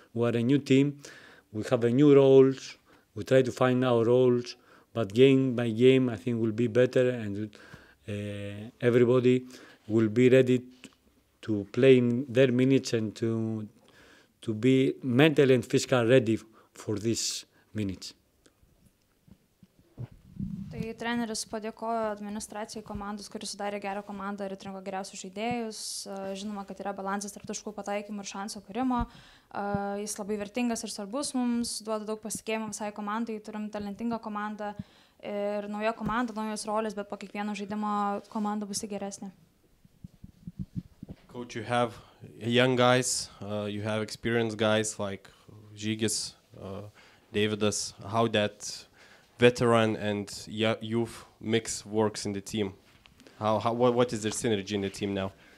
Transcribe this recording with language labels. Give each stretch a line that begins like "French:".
English: We are a new team, we have a new roles, we try to find our roles, but game by game I think will be better, and everybody will be ready to play in their minutes and to be mentally and physically ready for these minutes.
Lithuanian: Tai treneris padėkojo administracijai komandos, kuris sudarė gerą komandą ir atrinko geriausius žaidėjus. Žinoma, kad yra balansas tarp taškų pataikymų ir šansų kūrimo. Jis labai vertingas ir svarbus mums, duoda daug pasitikėjimo visai komandai. Turim talentingą komandą ir nauja komanda, naujos rolės, bet po kiekvieno žaidimo komanda bus geresnė.
English: Coach, you have young guys, you have experienced guys like Žygis, Davidas, how that veteran and youth mix works in the team. What is their synergy in the team now?